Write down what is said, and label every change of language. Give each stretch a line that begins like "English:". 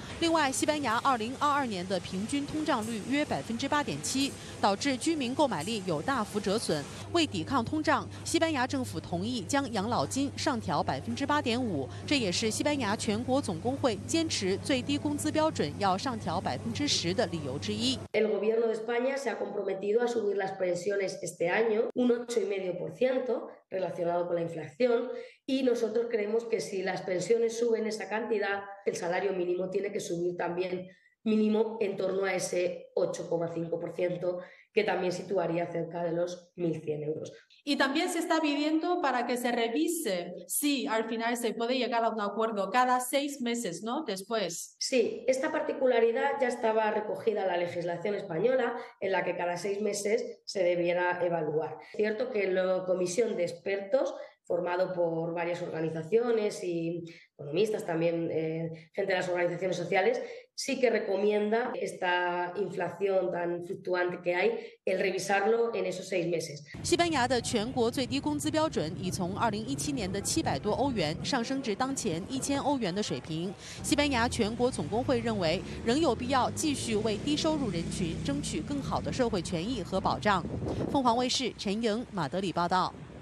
Chinese: 另外，西班牙2022年的平均通胀率约8.7%，导致居民购买力有大幅折损。为抵抗通胀，西班牙政府同意将养老金上调8.5%，这也是西班牙全国总工会坚持最低工资标准要上调10%的理由之一。
Spanish: El gobierno de España se ha comprometido a subir las pensiones este año un 8.5%relacionado con la inflación。 Y nosotros creemos que si las pensiones suben esa cantidad, el salario mínimo tiene que subir también mínimo en torno a ese 8.5%, que también situaría cerca de los 1.100 euros. Y también se está pidiendo para que se revise si al final se puede llegar a un acuerdo cada 6 meses, ¿no? Después. Sí, esta particularidad ya estaba recogida en la legislación española en la que cada 6 meses se debiera evaluar. Cierto que la comisión de expertos, formado por varias organizaciones y economistas también, gente de las organizaciones sociales, sí que recomienda esta inflación tan fluctuante que hay, el revisarlo en esos 6 meses.
Chinese: 西班牙的全国最低工资标准已从2017年的700多欧元上升至当前1000欧元的水平。西班牙全国总工会认为，仍有必要继续为低收入人群争取更好的社会权益和保障。凤凰卫视陈莹，马德里报道。